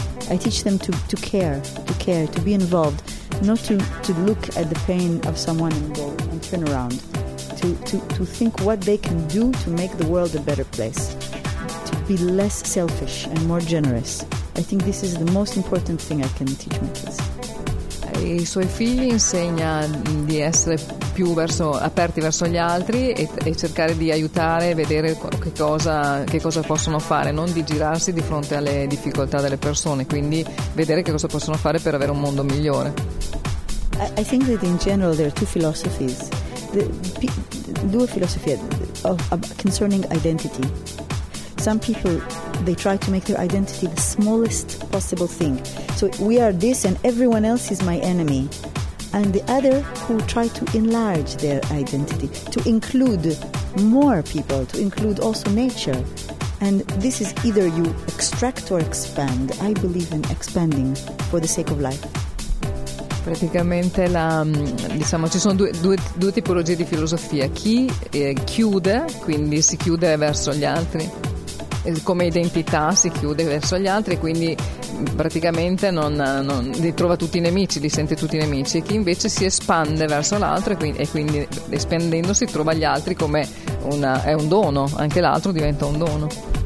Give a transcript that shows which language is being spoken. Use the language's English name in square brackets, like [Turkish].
[English] I teach them to care, to be involved, not to look at the pain of someone and go and turn around. To think what they can do to make the world a better place. To be less selfish and more generous. I think this is the most important thing I can teach my kids. [Italian] I suoi figli insegna di essere più aperti verso gli altri e cercare di aiutare, vedere che cosa possono fare, non di girarsi di fronte alle difficoltà delle persone, quindi vedere che cosa possono fare per avere un mondo migliore. [English] I think that in general there are two philosophies. [Italian] Due filosofie [English] concerning identity. Some people, they try to make their identity the smallest possible thing. So we are this and everyone else is my enemy. And the other who try to enlarge their identity, to include more people, to include also nature. And this is either you extract or expand. I believe in expanding for the sake of life. [Italian] Praticamente ci sono due tipologie di filosofia. Chi chiude, quindi si chiude verso gli altri, come identità si chiude verso gli altri, quindi praticamente non li trova tutti nemici, li sente tutti nemici, chi invece si espande verso l'altro e quindi espandendosi trova gli altri come è un dono, anche l'altro diventa un dono.